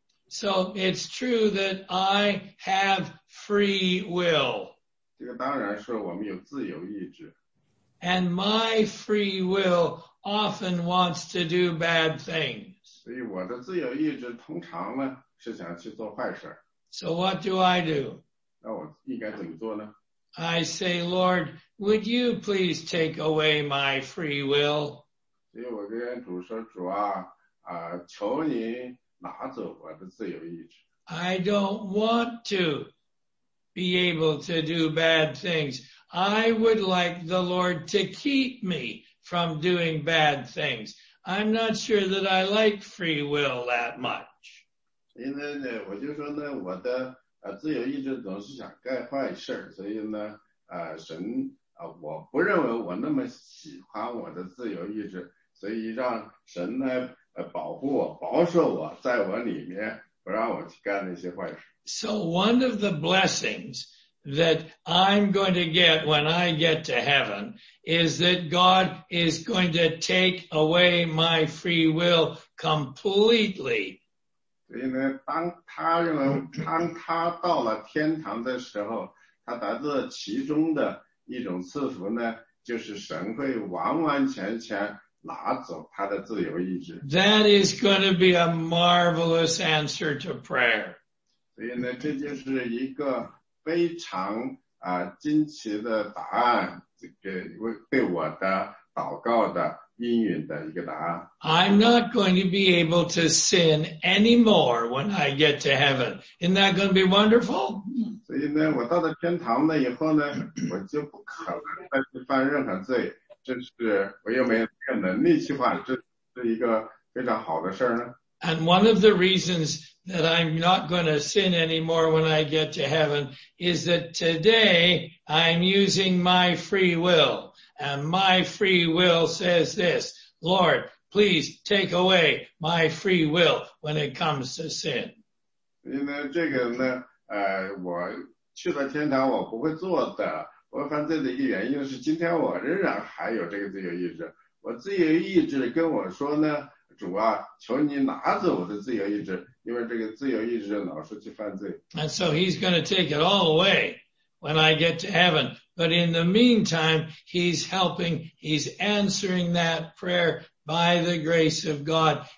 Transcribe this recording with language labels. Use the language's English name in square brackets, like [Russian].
[English] So it's true that I have free will. [Chinese] 这个当然是我们有自由意志。 [English] And my free will often wants to do bad things. [Chinese] 所以我的自由意志通常呢,是想去做坏事。 [English] So what do I do? [Chinese] 那我应该怎么做呢? [English] I say, Lord, would you please take away my free will? [Chinese] 所以我跟主说,主啊,求你, [English] I don't want to be able to do bad things. I would like the Lord to keep me from doing bad things. I'm not sure that I like free will that much. [Chinese] 因为呢,我就说呢,我的自由意志总是想干坏事,所以呢,神,我不认为我那么喜欢我的自由意志, 所以让神来保护我保守我在我里面不让我去干那些坏事。 [English] So one of the blessings that I'm going to get when I get to heaven is that God is going to take away my free will completely. [Chinese] 所以呢当他认为当他到了天堂的时候他达到其中的一种赐福呢就是神会完完全全拿走他的自由意志。 [English] That is going to be a marvelous answer to prayer. [Chinese] 所以呢这就是一个非常啊惊奇的答案给对我的祷告的应允的一个答案。 [English] I'm not going to be able to sin anymore when I get to heaven. Isn't that going to be wonderful? [Chinese] 所以呢我到了天堂了以后呢我就不可能再去犯任何罪。这是我又没有这个能力去犯这是一个非常好的事儿呢。 [English] And one of the reasons that I'm not going to sin anymore when I get to heaven is that today I'm using my free will. And my free will says this, Lord, please take away my free will when it comes to sin. [Chinese] 因为这个呢我去了天堂我不会做的。我犯罪的一个原因是今天我仍然还有这个自由意志。我自由意志跟我说呢主啊求你拿走我的自由意志因为这个自由意志老是去犯罪。 [English] And so he's going to take it all away when I get to heaven. But in the meantime, he's helping, he's answering that prayer by the grace of God.